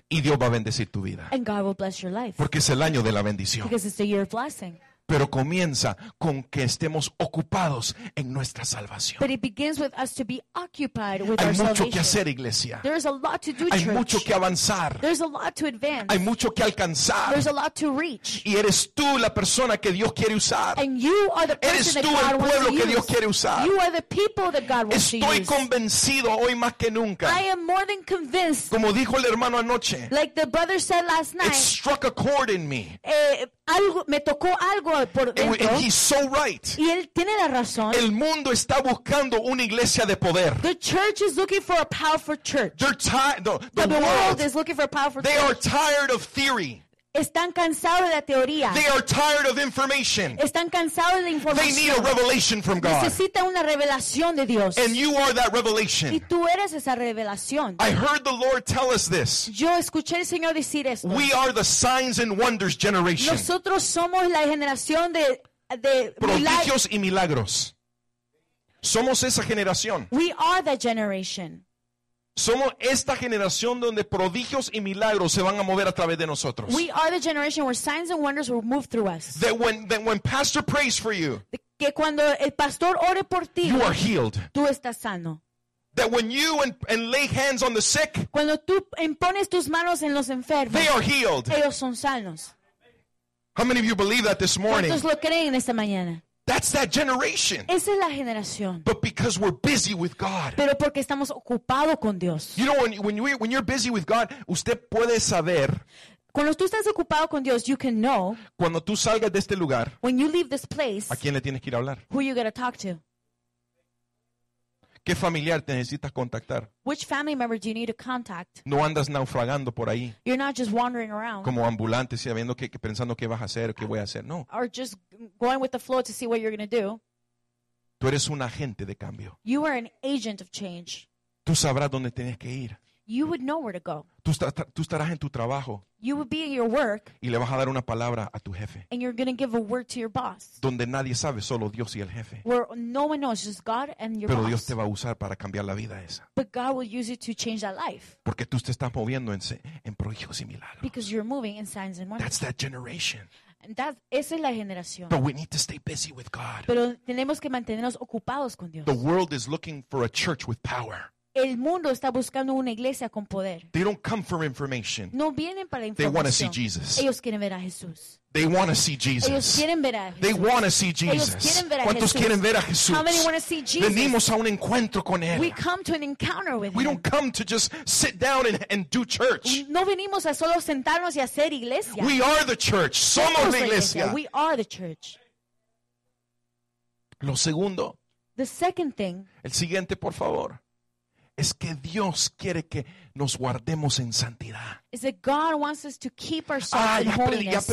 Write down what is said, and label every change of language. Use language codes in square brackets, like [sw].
[es] Y Dios va a bendecir tu vida. [en] And God will bless your life. [es] Porque es el año de la bendición. [en] Because it's the year of blessing. [es] Pero comienza con que estemos ocupados en nuestra salvación. [en] But it begins with us to be occupied with our salvation. [es] Hay mucho que hacer, iglesia. [en] There's a lot to do, church. [es] Hay mucho que avanzar. [en] There's a lot to advance. [es] Hay mucho que alcanzar. [en] There's a lot to reach. [es] Y eres tú la persona que Dios quiere usar. [en] And you are the person that God [es] el pueblo [en] wants [es] que [en] use. [es] Dios quiere usar. [en] You are the people that God wants [es] estoy [en] to use. [es] Convencido hoy más que nunca. [en] I am more than convinced. [es] Como dijo el hermano anoche. [en] Like the brother said last night. It struck a chord in me. [es] Algo, me tocó algo por dentro. [en] And he's so right. [es] Y él tiene la razón. El mundo está buscando una iglesia de poder. [en] The church is looking for a powerful church. The world is looking for a powerful they church. They are tired of theory. [es] Están cansados de la teoría. [en] They are tired of information. [es] Están cansados de la información. [en] They need a revelation from God. [es] Necesitan una revelación de Dios. [en] And you are that revelation. [es] Y tú eres esa revelación. [en] I heard the Lord tell us this. [es] Yo escuché al Señor decir esto. [en] We are the signs and wonders generation. [es] Nosotros somos la generación de prodigios y milagros. Somos esa generación. [en] We are that generation. [es] Somos esta generación donde prodigios y milagros se van a mover a través de nosotros. [en] We are the generation where signs and wonders will move through us. That when pastor prays for you, [es] que cuando el pastor ore por ti, [en] you are healed. [es] Tú estás sano. [en] That when you and lay hands on the sick, [es] cuando tú impones tus manos en los enfermos, [en] they are healed. [es] Ellos son sanos. [en] How many of you believe that this morning? [es] ¿Cuántos lo creen esta mañana? [en] That's that generation. [es] Esa es la generación. [en] But because we're busy with God. [es] Pero porque estamos ocupados con Dios. [en] You know, when you're busy with God, [es] usted puede saber. Cuando tú estás ocupado con Dios, [en] you can know. [es] Cuando tú salgas de este lugar. [en] When you leave this place. [es] ¿A quién le tienes que ir a hablar? [en] Who you gotta talk to? [es] ¿Qué familiar te necesitas contactar? [en] Which family member do you need to contact? [es] No andas naufragando por ahí. [en] You're not just wandering around. [es] Como ambulante, sabiendo que pensando qué vas a hacer, qué voy a hacer, no. [en] Or just going with the flow to see what you're going to do. [es] Tú eres un agente de cambio. [en] You are an agent of change. [es] Tú sabrás dónde tienes que ir. [en] You would know where to go. [es] Tú estarás en tu trabajo. [en] You would be in your work. [es] Y le vas a dar una palabra a tu jefe. [en] And you're going to give a word to your boss. [es] Donde nadie sabe, solo Dios y el jefe. [en] Where no one knows, just God and your [es] Pero [en] boss. [es] Pero Dios te va a usar para cambiar la vida esa. [en] But God will use you to change that life. [es] Porque tú te estás moviendo en prodigios y milagros. [en] Because you're moving in signs and wonders. That's that generation. [es] Esa es la generación. [en] But we need to stay busy with God. [es] Pero tenemos que mantenernos ocupados con Dios. [en] The world is looking for a church with power. [es] El mundo está buscando una iglesia con poder. [en] They don't come for information. [es] No vienen para la información. [en] They want to see Jesus. [es] Ellos quieren ver a Jesús. [en] They want to see Jesus. [es] Ellos quieren ver a Jesús. [en] They want to see Jesus. [es] Ellos quieren ver a ¿Cuántos Jesús? Quieren ver a Jesús? [en] How many want to see Jesus? [es] Venimos a un encuentro con Él. [en] We come to an encounter with We Him. Don't come to just sit down and do church. [es] No venimos a solo sentarnos y hacer iglesia. [en] We are the church. [es] Somos la iglesia. [en] We are the church. [es] Lo segundo. [en] The second thing. [es] El siguiente, por favor. Es que Dios quiere que nos guardemos en santidad. [en] Is that God wants us to keep ourselves in holiness?